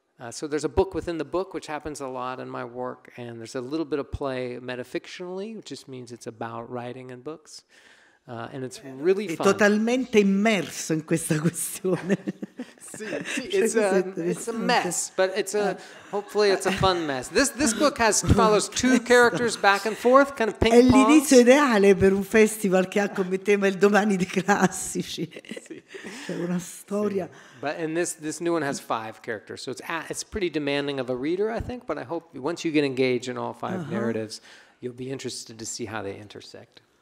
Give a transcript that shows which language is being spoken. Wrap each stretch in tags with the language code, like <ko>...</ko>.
<en>So there's a book within the book, which happens a lot in my work, and there's a little bit of play metafictionally, which just means it's about writing in books, and it's really fun.</en> <it>È totalmente immerso in questa questione.</it> <en>It's a mess, but hopefully it's a fun mess. This book follows two characters back and forth, kind of ping-pong.</en> <it>È l'inizio ideale per un festival che ha come tema il domani dei classici. C'è una storia.</it> <en>But and this new one has five characters, so it's pretty demanding of a reader, I think. But I hope once you get engaged in all five narratives, you'll be interested to see how they intersect.</en>